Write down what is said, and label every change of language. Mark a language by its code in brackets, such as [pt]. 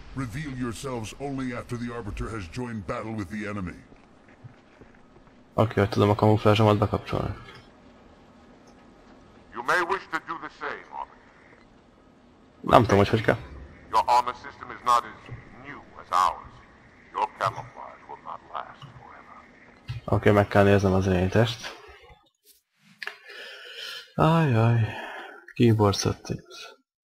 [en] Reveal yourselves only after the arbiter has joined battle with the enemy. [hu] Oké, hogy tudom a kamuflázsomat bekapcsolni. [en] You may wish to do the same, Armin. [hu] Nem tudom, hogy kell. [en] Your armor system is not as new as ours. Your camouflage will not last. [hu] Oké, meg kell néznem az én test. [en] Ajaj, keyboard settings.